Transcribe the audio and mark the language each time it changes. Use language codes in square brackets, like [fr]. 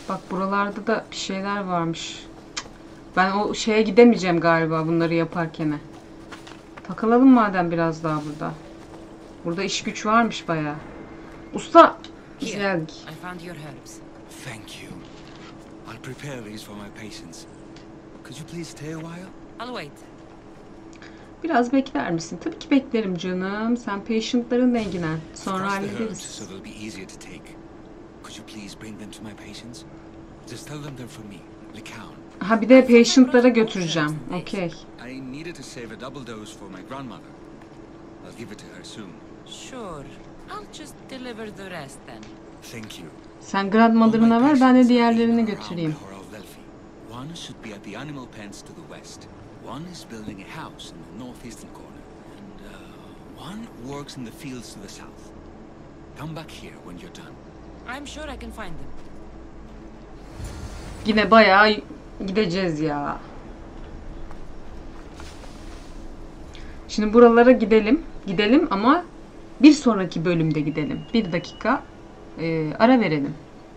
[tr] Buralarda da bir şeyler varmış. Ben o şeye gidemeyeceğim galiba bunları yaparken. Takılalım madem biraz daha burada. Burada iş güç varmış bayağı. Usta, biz geldik. [en] I found your herbs. Thank you. I'll prepare these for my patients. Could you please stay a while? I'll wait. [tr] Biraz bekler misin? Tabii ki beklerim canım. Sen patientların dengine. Sonra hallederiz. [en] So it'll be easier to take. Could you please bring them to my patients? Just tell them they're for me, LeCount. [tr] Ha bir de patientlara götüreceğim. [en] Okay. I needed to save a double dose for my grandmother. I'll give it to her soon. Sure. I'll just deliver the rest then. Thank you. [tr] Sen grandmother'ına ver, ben de diğerlerini götüreyim. [en] One should be at the animal pens to the west. One is building a house in the northeastern corner. And one works in the fields to the south. Come back here when you're done. I'm sure I can find them. [tr] Yine bayağı gideceğiz ya. Şimdi buralara gidelim. Gidelim ama bir sonraki bölümde gidelim. Bir dakika ara verelim.